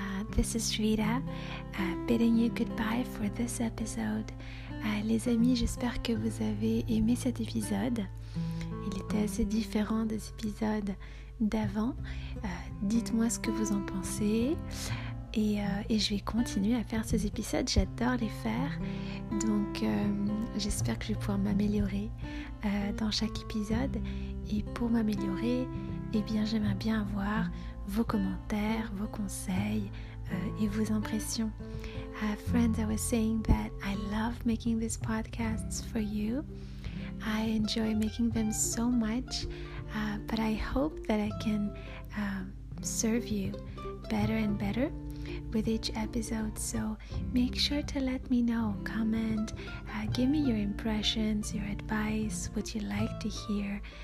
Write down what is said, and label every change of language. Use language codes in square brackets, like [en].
[en] This is Rita bidding you goodbye for this episode. [fr] Les amis, j'espère que vous avez aimé cet épisode. Il était assez différent des épisodes d'avant. Dites-moi ce que vous en pensez. Et je vais continuer à faire ces épisodes. J'adore les faire. Donc, j'espère que je vais pouvoir m'améliorer dans chaque épisode. Et pour m'améliorer, eh bien, j'aimerais bien avoir vos commentaires, vos conseils et vos impressions. [en] Friends, I was saying that I love making these podcasts for you. I enjoy making them so much, but I hope that I can serve you better and better with each episode. So make sure to let me know, comment, give me your impressions, your advice, what you like to hear.